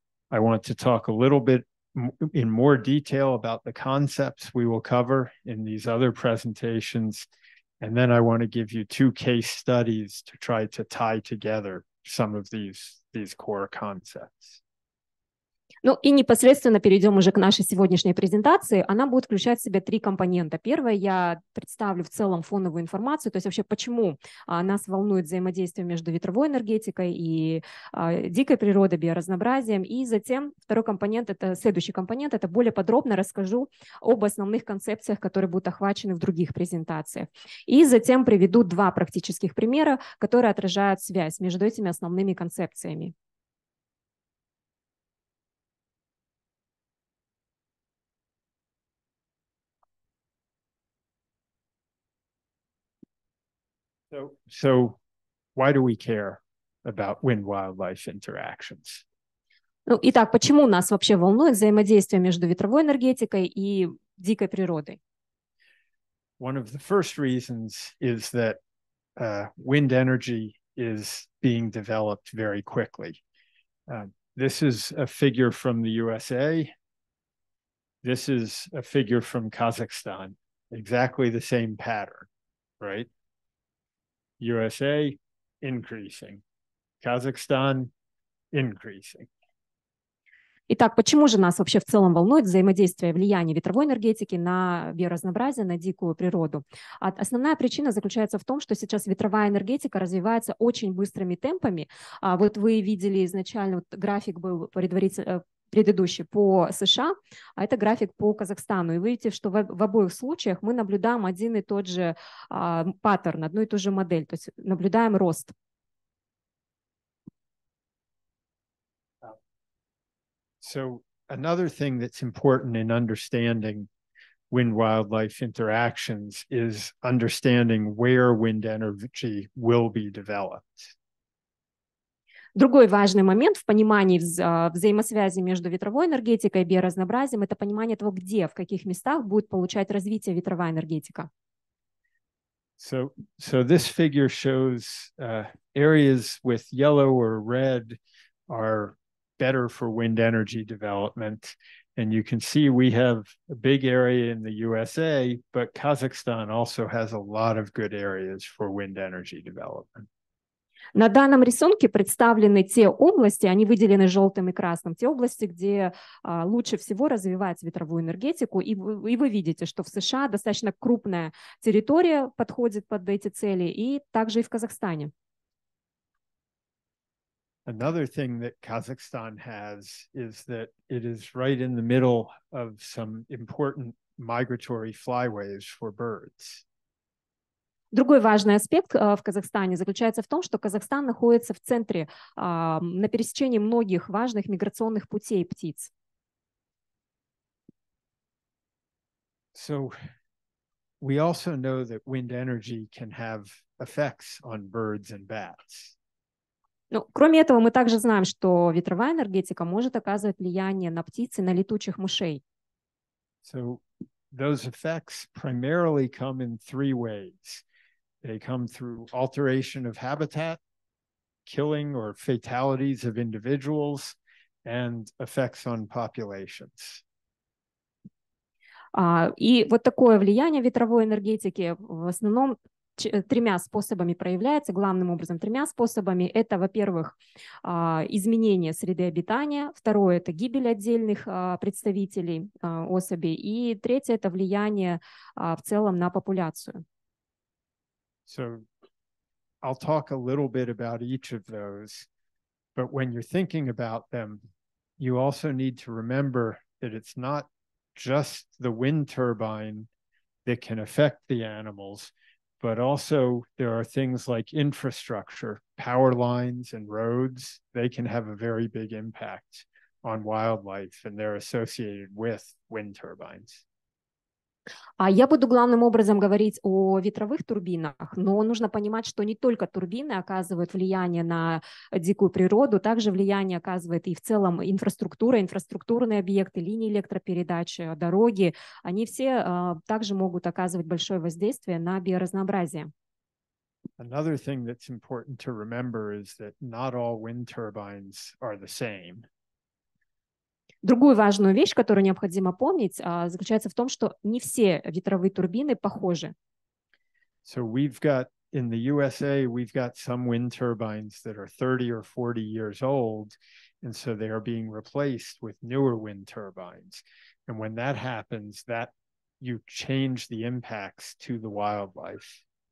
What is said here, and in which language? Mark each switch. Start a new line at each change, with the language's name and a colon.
English: I want to talk a little bit in more detail about the concepts we will cover in these other presentations. And then I want to give you 2 case studies to try to tie together some of these core concepts.
Russian: Ну и непосредственно перейдем уже к нашей сегодняшней презентации. Она будет включать в себя три компонента. Первое, я представлю в целом фоновую информацию, то есть вообще почему нас волнует взаимодействие между ветровой энергетикой и дикой природой, биоразнообразием. И затем второй компонент, это следующий компонент, это более подробно расскажу об основных концепциях, которые будут охвачены в других презентациях. И затем приведу два практических примера, которые отражают связь между этими основными концепциями.
English: So why do we care about wind-wildlife interactions?
Russian: Ну, итак, почему нас вообще волнует взаимодействие между ветровой энергетикой и дикой природой?
English: One of the first reasons is that wind energy is being developed very quickly. This is a figure from the USA. This is a figure from Kazakhstan. Exactly the same pattern, right? USA increasing, Kazakhstan increasing.
Russian: Итак, почему же нас вообще в целом волнует взаимодействие влияния ветровой энергетики на биоразнообразие, на дикую природу? Основная причина заключается в том, что сейчас ветровая энергетика развивается очень быстрыми темпами. Вот вы видели изначально, вот график был предыдущий по США, а это график по Казахстану. И вы видите, что в обоих случаях мы наблюдаем один и тот же паттерн, одну и ту же модель, то есть наблюдаем рост.
English: So another thing that's important in understanding wind-wildlife interactions is understanding where wind energy will be developed.
Russian: Другой важный момент в понимании взаимосвязи между ветровой энергетикой и биоразнообразием – это понимание того, где, в каких местах будет получать развитие ветровая энергетика.
English: So this figure shows areas with yellow or red are better for wind energy development. And you can see we have a big area in the USA, but Kazakhstan also has a lot of good areas for wind energy development.
Russian: На данном рисунке представлены те области, они выделены желтым и красным, те области, где лучше всего развивать ветровую энергетику. И вы видите, что в США достаточно крупная территория подходит под эти цели, и также и в Казахстане.
English: Another thing that Kazakhstan has is that it is right in the middle of some important migratory flyways for birds.
Russian: Другой важный аспект в Казахстане заключается в том, что Казахстан находится в центре, на пересечении многих важных миграционных путей птиц.
English: So we also know that wind energy can have effects on birds and bats.
Russian: Ну, кроме этого, мы также знаем, что ветровая энергетика может оказывать влияние на птиц и на летучих мышей.
English: So those effects primarily come in three ways. They come through alteration of habitat, killing or fatalities of individuals, and effects on populations.
Russian: И вот такое влияние ветровой энергетики в основном тремя способами проявляется, главным образом тремя способами. Это, во-первых, изменение среды обитания, второе – это гибель отдельных представителей особей, и третье – это влияние в целом на популяцию.
English: So I'll talk a little bit about each of those, but when you're thinking about them, you also need to remember that it's not just the wind turbine that can affect the animals, but also there are things like infrastructure, power lines and roads. They can have a very big impact on wildlife, and they're associated with wind turbines.
Russian: Я буду главным образом говорить о ветровых турбинах, но нужно понимать, что не только турбины оказывают влияние на дикую природу, также влияние оказывает и в целом инфраструктура, инфраструктурные объекты, линии электропередачи, дороги. Они все также могут оказывать большое воздействие на биоразнообразие.
English: Another thing that's important to remember is that not all wind turbines are the same.
Russian: Другую важную вещь, которую необходимо помнить, заключается в том, что не все ветровые турбины похожи.
English: So we've got, in the USA, we've got some wind turbines that are 30 or 40 years old, And so they are being replaced with newer wind turbines. And when that happens, that you change the impacts to the wildlife.